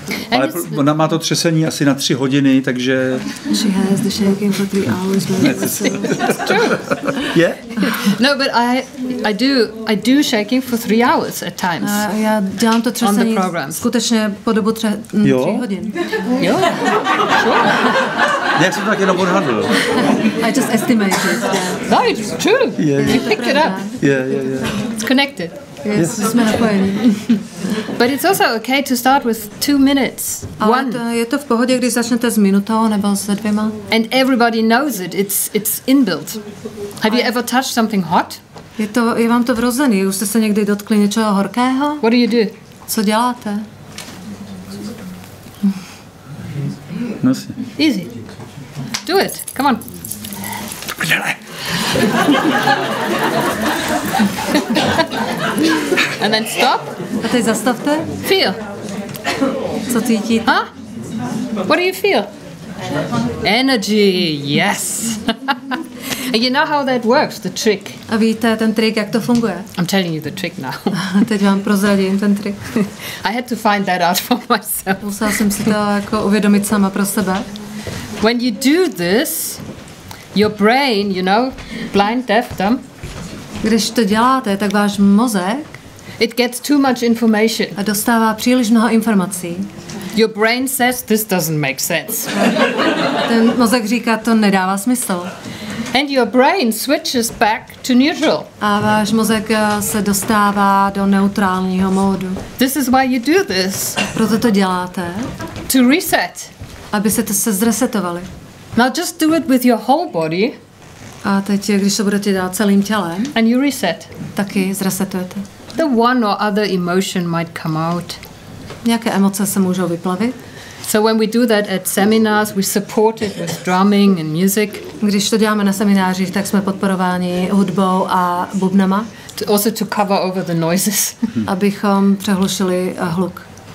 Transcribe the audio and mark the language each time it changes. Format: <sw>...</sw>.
<cs>Ale ona má to třesení asi na 3 hodiny, takže...</cs> <en>She has the shaking for 3 hours. That's true. Yeah? No, but I do shaking for 3 hours at times.</en> <cs>Já dělám to třesení skutečně po dobu 3 hodin. Jo? Jo? Sure. Jak jsem to tak jenom odhadl?</cs> <en>I just estimated. No, it's true. Yeah. You picked it up. Yeah. It's connected. Yes. Yes.</en> <cs>Jsme napojeni.</cs> <en>But it's also okay to start with 2 minutes.</en> <cs>Ale je to v pohodě, když začnete s minutou nebo s dvěma.</cs> <en>And everybody knows it. It's inbuilt. Have you ever touched something hot?</en> <cs>Je vám to vrozený. Už jste se někdy dotkli něčeho horkého?</cs> <en>What do you do?</en> <cs>Co děláte? Nosi.</cs> <en>Easy. Do it. Come on. And then stop.</en> <cs>A teď zastavte.</cs> <en>Feel.</en> <cs>Co cítíte?</cs> <en>Huh? What do you feel? Energy. Yes. And you know how that works, the trick.</en> <cs>A víte ten trik, jak to funguje?</cs> <en>I'm telling you the trick now.</en> <cs>Teď vám prozradím ten trik.</cs> <en>I had to find that out for myself.</en> <cs>Musela jsem si to jako uvědomit sama pro sebe.</cs> <en>When you do this, your brain, you know, blind, deaf, dumb.</en> <cs>Když to děláte, tak váš mozek.</cs> <en>It gets too much information.</en> <cs>A dostává příliš mnoho informací.</cs> <en>Your brain says this doesn't make sense.</en> <cs>Ten mozek říká, to nedává smysl.</cs> <en>And your brain switches back to neutral.</en> <cs>A váš mozek se dostává do neutrálního módu.</cs> <en>This is why you do this.</en> <cs>Proto to děláte.</cs> <en>To reset.</en> <cs>Aby se to se zresetovali.</cs> <en>Now just do it with your whole body.</en> <cs>A teď, když to budete dělat celým tělem.</cs> <en>And you reset.</en> <cs>Taky zresetujete.</cs> <en>The one or other emotion might come out.</en> <cs>Nějaké emoce se můžou vyplavit.</cs> <en>So when we do that at seminars, we support it with drumming and music.</en> <cs>Když to děláme na seminářích, tak jsme podporováni hudbou a bubnama.</cs> <en>Also to cover over the noises.</en> <cs>Abychom přehlušili hluk.</cs>